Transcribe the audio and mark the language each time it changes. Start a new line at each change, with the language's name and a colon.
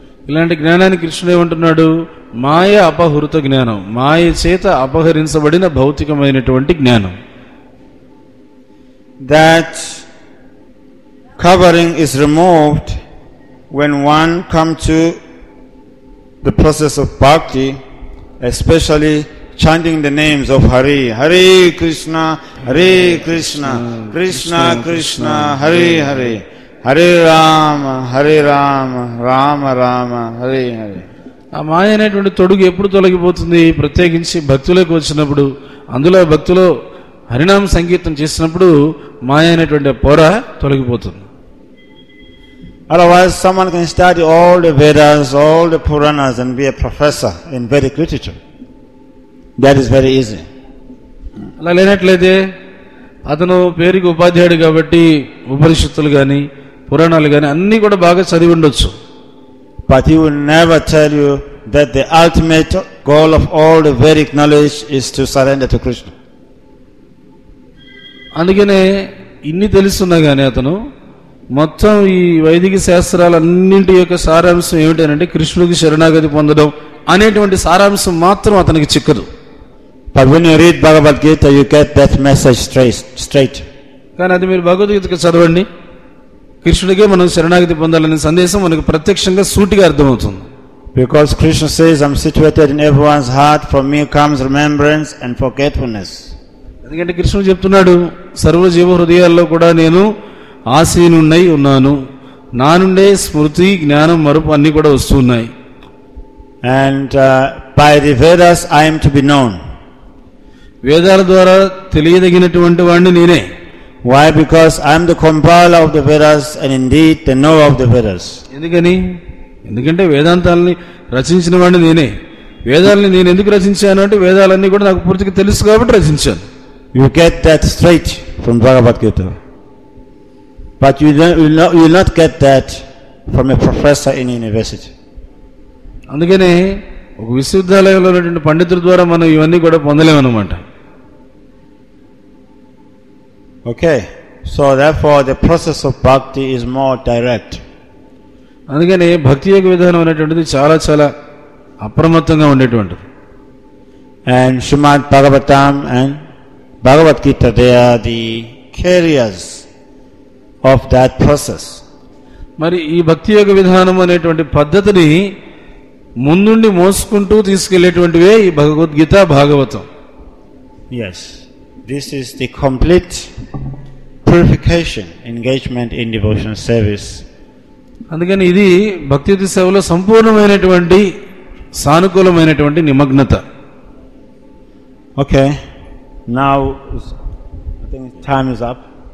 Telugu: ఇలాంటి జ్ఞానాన్ని కృష్ణుడు ఏమంటున్నాడు, మాయ అపహృత జ్ఞానం, మాయ చేత అపహరించబడిన భౌతికమైనటువంటి జ్ఞానం.
English: That covering is removed when one comes to the process of bhakti, especially chanting the names of Hari.
Sanskrit: Hare Krishna, Hare Krishna, Krishna Krishna, Hare Hare, Hare Rama, Hare Rama, Rama Rama, Hare Hare.
Telugu: ఆ మాయ అనేటువంటి తొడుగు ఎప్పుడు తొలగిపోతుంది, ప్రత్యేకించి భక్తులకు వచ్చినప్పుడు, అందులో భక్తులు హరినామ సంకీర్తనం చేసినప్పుడు మాయ అనేటువంటి పొర తొలగిపోతుంది.
English: Otherwise, someone can study all the Vedas, all the Puranas and be a professor in Vedic literature. That is very easy.
Telugu: అలా లేనట్లయితే అతను పేరుకి ఉపాధ్యాయుడు కాబట్టి ఉపనిషత్తులు కానీ పురాణాలు కానీ అన్నీ కూడా బాగా చదివి ఉండొచ్చు.
English: But he will never tell you that the ultimate goal of all the Vedic knowledge is to surrender to Krishna.
Telugu: అందుకనే ఇన్ని తెలుస్తున్నా కానీ అతను మొత్తం ఈ వైదిక శాస్త్రాలన్నింటి యొక్క సారాంశం ఏమిటంటే కృష్ణుడికి శరణాగతి పొందడం అనేటువంటి సారాంశం మాత్రం అతనికి చిక్కదు.
English: But when you read Bhagavad Gita, you get that message straight.
Telugu: కానీ అది మీరు భగవద్గీతకు చదవండి, కృష్ణుడికే మనం శరణాగతి పొందాలనే సందేశం మనకు ప్రత్యక్షంగా సూటిగా అర్థమవుతుంది.
English: Because Krishna says, I'm situated in everyone's heart, from me comes remembrance and forgetfulness.
Telugu: ఎందుకంటే కృష్ణుడు చెప్తున్నాడు, సర్వ జీవ హృదయాల్లో కూడా నేను ఆసీనున్నై ఉన్నాను, నా నుండే స్మృతి జ్ఞానం మరుపు అన్ని కూడా వస్తున్నాయి.
English: and by the Vedas I am to be known,
Telugu: వేదాల ద్వారా తెలియదగినటువంటి వాడిని నేనే.
English: Why? Because I am the compiler of the Vedas and indeed the knower of the Vedas.
Telugu: ఎందుకని? ఎందుకంటే వేదాంతాలని రచించిన వాడిని నేనే. వేదాలని నేను ఎందుకు రచించాను అంటే వేదాలన్నీ కూడా నాకు పూర్తిగా తెలుసు కాబట్టి రచించాను.
English: You get that straight from Bhagavad Gita. But you will not get that from a professor in university.
Telugu: అందుకని ఒక విశ్వవిద్యాలయంలో ఉన్నటువంటి పండితుల ద్వారా మనం ఇవన్నీ కూడా పొందలేమన్నమాట.
English: Okay, so therefore the process of bhakti is more direct.
Telugu: అందుకని భక్తి యొక్క విధానం అనేటువంటిది చాలా చాలా అప్రమత్తంగా ఉండేటువంటిది.
English: And Srimad Bhagavatam and Bhagavad Gita, they are the carriers of that process.
Telugu: మరి ఈ భక్తి యొక్క విధానం అనేటువంటి పద్ధతిని ముందుండి మోసుకుంటూ తీసుకెళ్లేటువంటివే ఈ Bhagavad Gita Bhagavatam.
English: Yes, this is the complete purification, engagement in devotional service.
Telugu: అందుకని ఇది భక్తి యుక్త సేవలో సంపూర్ణమైనటువంటి సానుకూలమైనటువంటి నిమగ్నత.
English: Okay, now I think time is up.